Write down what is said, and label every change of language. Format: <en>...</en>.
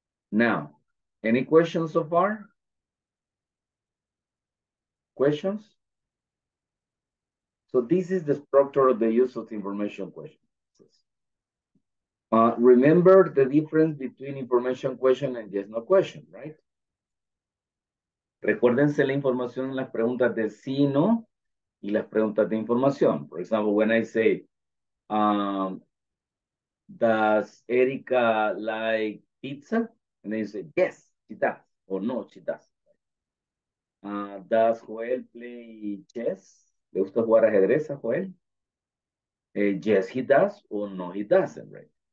<en>Now, any questions so far? Questions? So this is the structure of the use of the information question. Remember the difference between information question and yes no question, right?</en> <es>Recuérdense la información en las preguntas de sí no y las preguntas de información.</es> <en>For example, when I say, does Erika like pizza? And then you say, yes, she does, or no, she does. Does Joel play chess?</en> <es>¿Le gusta jugar ajedrez a Joel?</es> <en>Yes, he does, or no, he doesn't, right?</en>